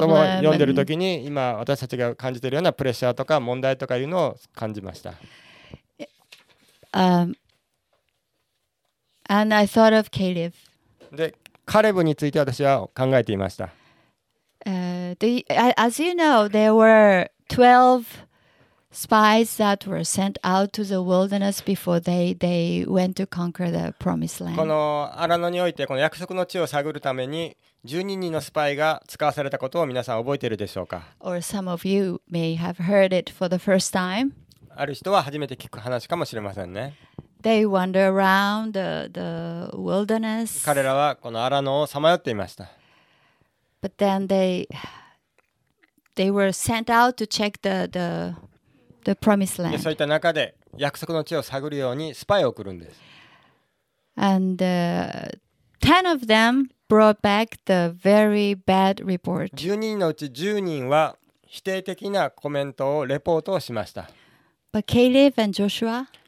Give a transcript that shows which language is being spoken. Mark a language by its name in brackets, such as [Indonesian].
[Japanese] その読んでいるときに今私たちが感じているようなプレッシャーとか問題とかいうのを感じました。 [English] And I thought of Caleb. [Japanese] で、カレブについて私は考えていました。 [English] As you know, there were 12 spies that were sent out to the wilderness before they went to conquer the promised land. [Japanese] この荒野においてこの約束の地を探るために12人のスパイが使わされたことを皆さん覚えているでしょうか。 [English] Or some of you may have heard it for the first time. [Japanese] ある人は初めて聞く話かもしれませんね。 [English] They wander around the wilderness. [Japanese] 彼らはこの荒野をさまよっていました。 [English] But then they were sent out to check the promised land. [Japanese] そういった中で約束の地を探るようにスパイを送るんです。 [English] And ten of them. Brought back the very bad report. [Japanese] 12人のうち10人は否定的なコメントをレポートをしました。 [English] But Caleb and Joshua?